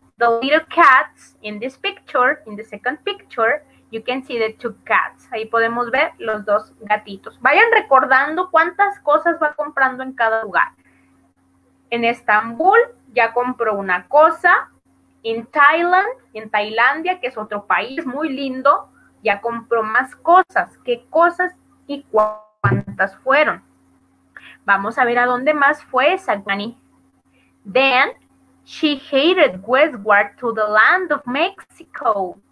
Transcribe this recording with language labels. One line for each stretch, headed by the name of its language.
English: the little cats in this picture, in the second picture, you can see the two cats.
Spanish: Ahí podemos ver los dos gatitos. Vayan recordando cuántas cosas va comprando en cada lugar. En Estambul ya compró una cosa.
English: In Thailand,
Spanish: en Tailandia, que es otro país muy lindo, ya compró más cosas. ¿Qué cosas y cuántas fueron? Vamos a ver a dónde más fue esa granny.
English: Then, she headed westward to the land of Mexico.